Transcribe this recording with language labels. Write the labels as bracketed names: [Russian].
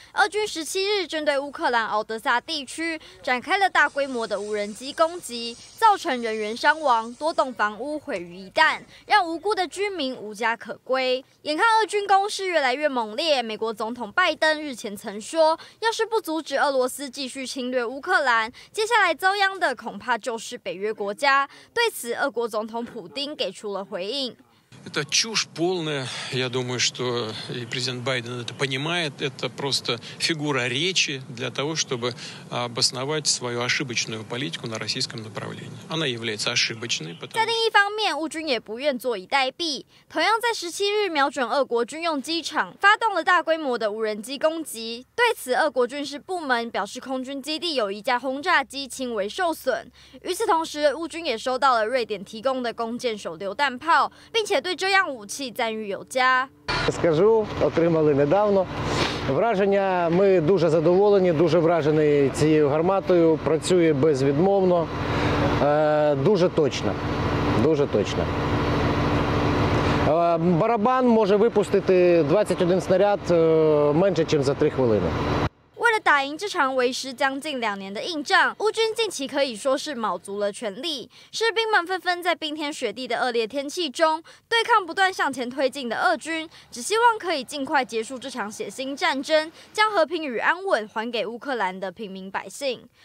[Chinese] 俄军17日针对乌克兰敖德萨地区展开了大规模的无人机攻击，造成人员伤亡，多栋房屋毁于一旦，让无辜的居民无家可归。眼看俄军攻势越来越猛烈，美国总统拜登日前曾说，要是不阻止俄罗斯继续侵略乌克兰，接下来遭殃的恐怕就是北约国家。对此，俄国总统普丁给出了回应。 [Russian] Это чушь полная. Я думаю, что и президент Байден это понимает. Это просто фигура речи для того, чтобы обосновать свою ошибочную политику на российском направлении. Она является ошибочной. [Chinese] 在另一方面，乌军也不愿坐以待毙。同样在17日瞄准俄国军用机场，发动了大规模的无人机攻击。对此，俄国军事部门表示，空军基地有一架轰炸机轻微受损。与此同时，乌军也收到了瑞典提供的弓箭手榴弹炮，并且对这样武器赞誉有加。 [Ukrainian] Скажу, отримали недавно. Враження, ми дуже задоволені, дуже вражений цією гарматою, працює безвідмовно, дуже точно, дуже точно. Барабан може випустити 21 снаряд менше, ніж за 3 хвилини. [Chinese] 打赢这场为时将近2年的硬仗，乌军近期可以说是卯足了全力。士兵们纷纷在冰天雪地的恶劣天气中对抗不断向前推进的俄军，只希望可以尽快结束这场血腥战争，将和平与安稳还给乌克兰的平民百姓。